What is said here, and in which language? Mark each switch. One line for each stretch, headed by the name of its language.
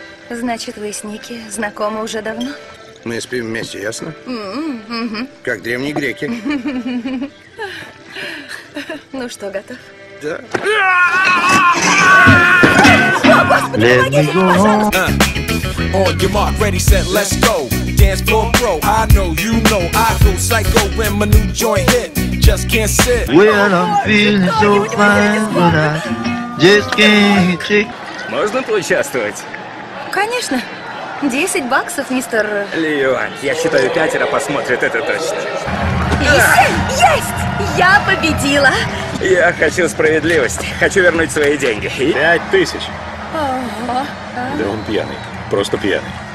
Russian: Значит, вы с Ники знакомы уже давно? Мы спим вместе, ясно? Как древние греки. Ну что, готов? Да. О, Господи, помогите мне, пожалуйста!
English: On your mark, ready, set, let's go. Dance floor, bro, I know, you know. I go psycho when my new joint hit. Just can't sit. Well, I'm feeling so fine, but I just can't take.
Russian: Можно поучаствовать? Конечно. $10, мистер... Леон, я считаю, пятеро посмотрит, это точно. Есть! Есть! Я победила! Я хочу справедливости. Хочу вернуть свои деньги. 5000. Ого. Да он пьяный. Просто пьяный.